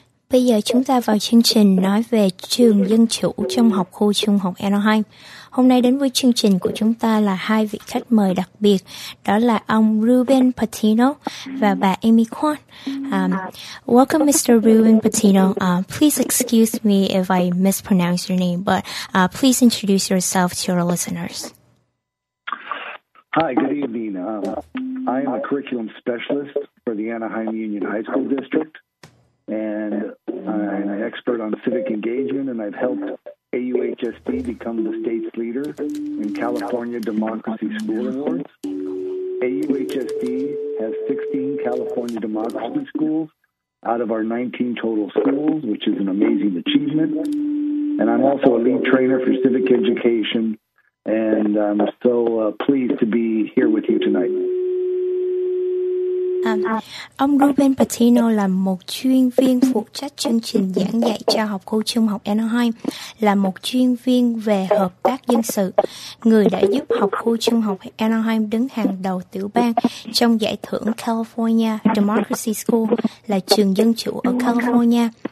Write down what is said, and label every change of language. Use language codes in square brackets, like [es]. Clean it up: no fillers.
[vi] Bây giờ chúng ta vào chương trình nói về trường dân chủ trong học khu trung học Anaheim. Hôm nay đến với chương trình của chúng ta là hai vị khách mời đặc biệt, đó là ông Ruben Patino và bà Amy Kwan. [en] Welcome, Mr. Ruben Patino. Please excuse me if I mispronounce your name, but please introduce yourself to our listeners. Hi, good evening. I am a curriculum specialist for the Anaheim Union High School District, and I'm an expert on civic engagement, and I've helped AUHSD become the state's leader in California Democracy School Awards. AUHSD has 16 California Democracy Schools out of our 19 total schools, which is an amazing achievement. And I'm also a lead trainer for civic education, and I'm so pleased to be here with you tonight. [vi] Ông Ruben Patino là một chuyên viên phụ trách chương trình giảng dạy cho học khu trung học Anaheim, là một chuyên viên về hợp tác dân sự, người đã giúp học khu trung học Anaheim đứng hàng đầu tiểu bang trong giải thưởng California Democracy School, là trường dân chủ ở California.